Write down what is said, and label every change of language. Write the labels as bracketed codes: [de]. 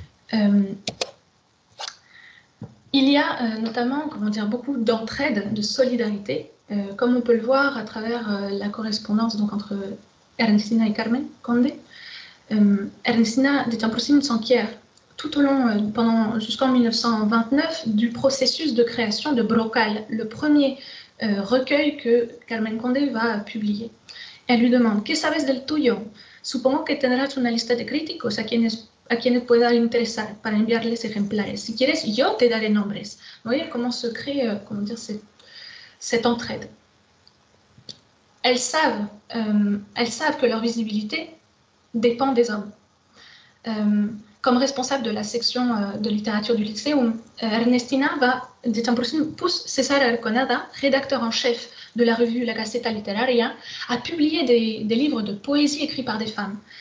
[fr] Il y a notamment, comment dire, beaucoup d'entraide, de solidarité, comme on peut le voir à travers la correspondance donc, entre Ernestina et Carmen Conde. Ernestina détient pour Sim Sanquière tout au long, jusqu'en 1929, du processus de création de Brocal, le premier recueil que Carmen Conde va publier. Elle lui demande [es] « ¿Qué sabes del tuyo? Supongo que tendrás una lista de críticos a quienes pueda interesar para enviarles ejemplares. Si quieres, yo te daré nombres. [fr] » Vous voyez comment se crée, comment dire, cette entraide. Elles savent que leur visibilité dépend des hommes. Comme responsable de la section de littérature du Lyceum, Ernestina pousse César Arconada, rédacteur en chef de la revue La Gaceta Literaria, à publier des livres de poésie écrits par des femmes.